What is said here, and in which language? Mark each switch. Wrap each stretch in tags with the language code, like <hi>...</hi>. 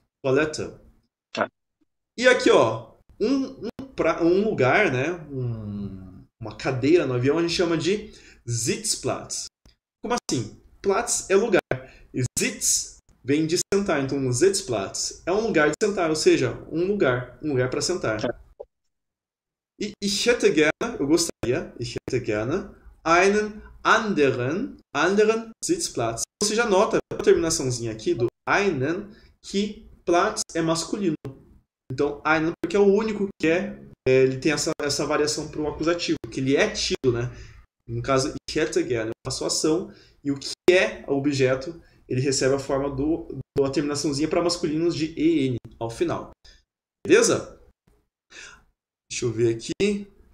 <pt>Toilette. E aqui, ó. Um lugar, né? Uma cadeira no avião, a gente chama de Sitzplatz. Como assim? Platz é lugar. Sitz vem de sentar. Então, Sitzplatz é um lugar de sentar, ou seja, um lugar para sentar. E ich hätte gerne, eu gostaria,</pt> <de>ich hätte gerne einen anderen Sitzplatz.</de> <pt>Você já nota a terminaçãozinha aqui do einen, que Platz é masculino. Então, einen, porque é o único que ele tem essa variação para o acusativo, que ele é tido, né? No caso, ich hätte gerne, eu faço ação, e o que é o objeto, ele recebe a forma da terminaçãozinha para masculinos de en ao final. Beleza? Deixa eu ver aqui.</pt>